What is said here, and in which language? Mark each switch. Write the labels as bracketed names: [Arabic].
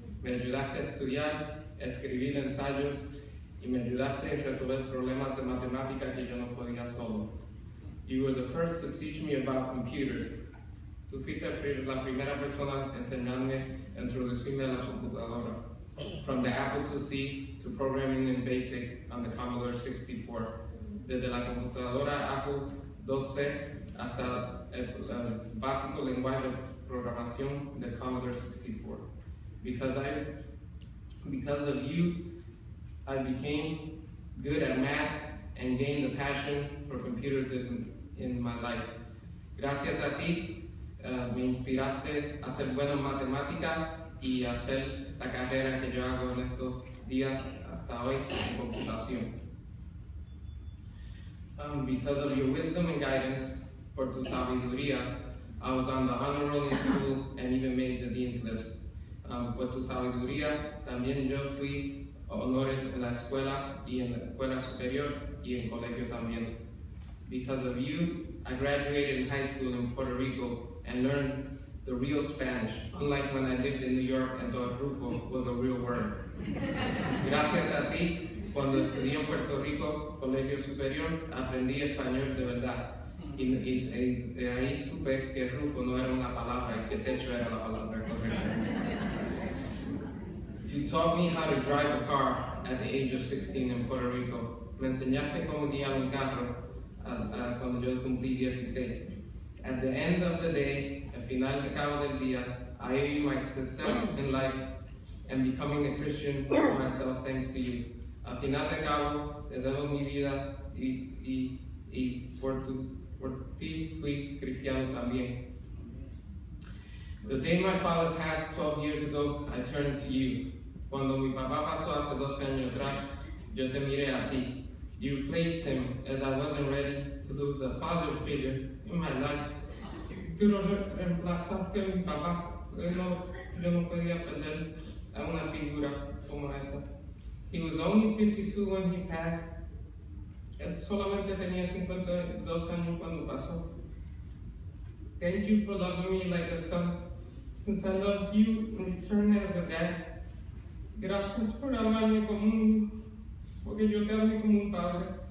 [Spanish] Me ayudaste a estudiar, escribir ensayos, y me ayudaste a resolver problemas de matemáticas que yo no podía solo. [English] You were the first to teach me about computers. [Spanish] Tú fuiste la primera persona enseñándome, introducirme a la computadora. [English] From the Apple IIc to programming in BASIC on the Commodore 64. [Spanish] Desde la computadora Apple IIc hasta el básico lenguaje de programación de Commodore 64. [English] Because of you, I became good at math and gained a passion for computers in my life. [Spanish] Gracias a ti, me inspiraste a ser bueno en matemática y a hacer la carrera que yo hago en estos días hasta hoy en computación. [English] Because of your wisdom and guidance, [Spanish] por tu sabiduría, [English] I was on the honor roll in school and even made the dean's list. [Spanish] Por tu sabiduría, también yo fui honores en la escuela y en la escuela superior y en colegio también. [English] Because of you, I graduated in high school in Puerto Rico and learned the real Spanish, unlike when I lived in New York and thought Rufo was a real word. [Spanish] Gracias a ti, cuando estudié en Puerto Rico, colegio superior, aprendí español de verdad. Y de ahí supe que Rufo no era una palabra y que techo era la palabra correcta. [English] You taught me how to drive a car at the age of 16 in Puerto Rico. [Spanish] Me enseñaste cómo guiar un carro cuando yo cumplí 16. [English] At the end of the day, [Spanish] al final de cabo del día, [English] I owe you my success in life and becoming a Christian for myself thanks to you. [Spanish] Al final de cabo, te debo mi vida y por ti fui cristiano también. [English] The day my father passed 12 years ago, I turned to you. [Spanish] Cuando mi papá pasó hace 12 años atrás, yo te miré a ti. [English] You replaced him as I wasn't ready to lose a father figure in my life. [Spanish] Tú lo reemplazaste a mi papá. Yo no podía perder a una figura como esa. [English] He was only 52 when he passed. [Spanish] Él solamente tenía 52 años cuando pasó. [English] Thank you for loving me like a son. Since I loved you in return as a dad. [Spanish] Gracias por amarme como un hijo, porque yo te amé como un padre.